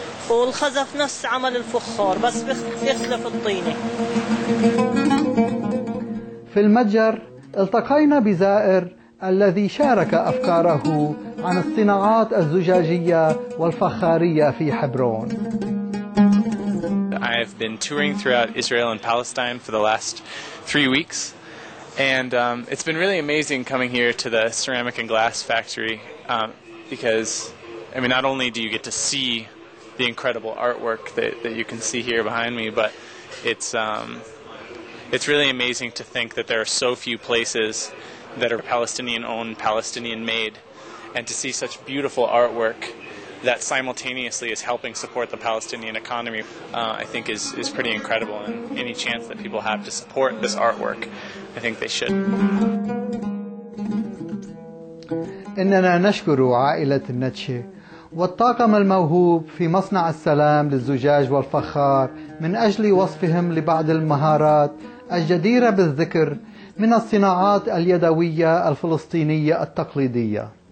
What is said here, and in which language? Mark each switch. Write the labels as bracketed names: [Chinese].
[Arabic] والخزف نفس عمل الفخار بس بيخلف الطينة. في المتجر التقينا بزائر الذي شارك أفكاره عن الصناعات الزجاجية والفخارية في حبرون. [English] I've been touring throughout Israel and Palestine for the last 3 weeks, and it's been really amazing coming here to the ceramic and glass factory, because I mean, not only do you get to see the incredible artwork that you can see here behind me, but it's really amazing to think that there are so few places that are Palestinian-owned, Palestinian-made, and to see such beautiful artwork that simultaneously is helping support the Palestinian economy, I think is pretty incredible. And any chance that people have to support this artwork, I think they should. [Arabic] إننا نشكر عائلة النتشي والطاقم الموهوب في مصنع السلام للزجاج والفخار من أجل وصفهم لبعض المهارات الجديرة بالذكر من الصناعات اليدوية الفلسطينية التقليدية.